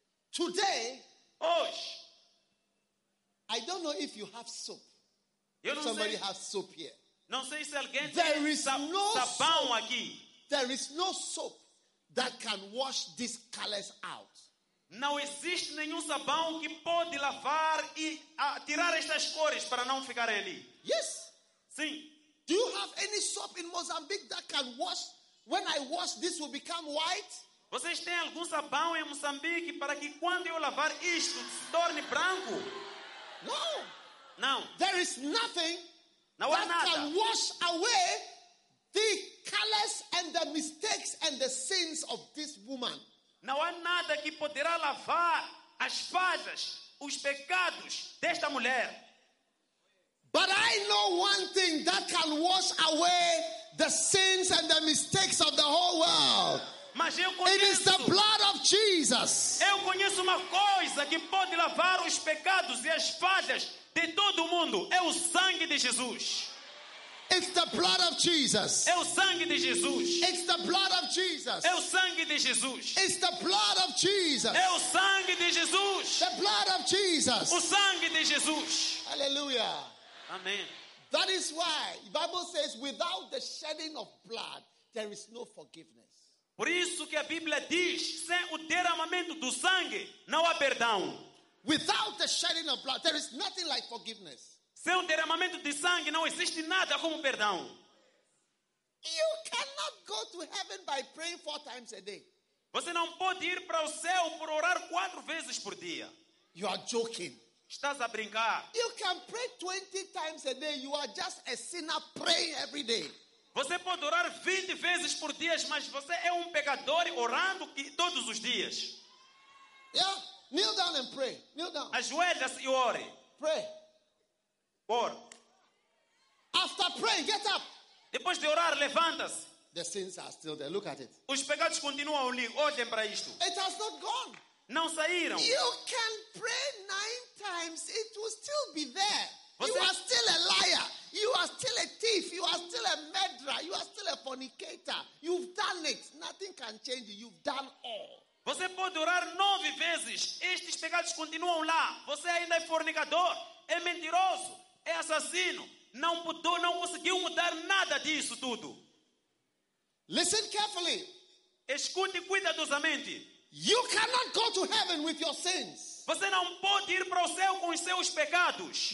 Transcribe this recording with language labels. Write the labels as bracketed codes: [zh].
[en] Today, [pt] hoje, [en] I don't know if you have soap. [pt] Eu não [en] somebody [pt] sei. [en] Has soap here. [pt] Não sei se alguém tem sabão aqui. [en] There is no soap that can wash these colors out. [pt] Não existe nenhum sabão que pode lavar e tirar estas cores para não ficar ali. [en] Yes. [pt] Sim. [en] Do you have any soap in Mozambique that can wash? When I wash, this will become white. [pt] Vocês têm algum sabão em Moçambique para que quando eu lavar isto se torne branco? [en] No. [pt] Não. [en] There is nothing. [pt] Não há [en] that [pt] nada. [en] Can wash away the colors and the mistakes and the sins of this woman. [pt] Não há nada que poderá lavar as falhas, os pecados desta mulher. [en] But I know one thing that can wash away the sins and the mistakes of the whole world. [pt] Mas eu conheço, [en] it is the blood of Jesus. [pt] Eu conheço uma coisa que pode lavar os pecados e as falhas de todo o mundo. É o sangue de Jesus. [en] It's the blood of Jesus. [pt] É o sangue de Jesus. [en] It's the blood of Jesus. [pt] É o sangue de Jesus. [en] It's the blood of Jesus. [pt] É o sangue de Jesus. [en] The blood of Jesus. [pt] O sangue de Jesus. [en] Hallelujah. Amen. That is why the Bible says, without the shedding of blood, there is no forgiveness. [pt] Por isso que a Bíblia diz, sem o derramamento do sangue, não há perdão. [en] Without the shedding of blood, there is nothing like forgiveness. [pt] Sem o derramamento de sangue, não existe nada como perdão. [en] You cannot go to heaven by praying four times a day. [pt] Você não pode ir para o céu por orar quatro vezes por dia. [en] You are joking. [pt] Estás a brincar. [en] You can pray 20 times a day. You are just a sinner praying every day. [pt] Você pode orar 20 vezes por dia, mas você é pecador orando todos os dias. [en] Yeah, kneel down and pray. Kneel down. [pt] Ajoelha-se e ore. [en] Pray. [pt] Ore. [en] After praying, get up. [pt] Depois de orar, levanta-se. [en] The sins are still there. Look at it. [pt] Os pecados continuam ali. Olhem para isto. [en] It has not gone. [pt] Não saíram. [en] You can pray 9 times. It will still be there. [pt] Você... [en] You are still a liar. You are still a thief. You are still a murderer. You are still a fornicator. You've done it. Nothing can change you. You've done all. [pt] Você pode orar 9 vezes. Estes pecados continuam lá. Você ainda é fornicador. É mentiroso. É assassino. Não mudou, não conseguiu mudar nada disso tudo. [en] Listen carefully. [pt] Escute cuidadosamente. [en] You cannot go to heaven with your sins. [pt] Você não pode ir para o céu com os seus pecados.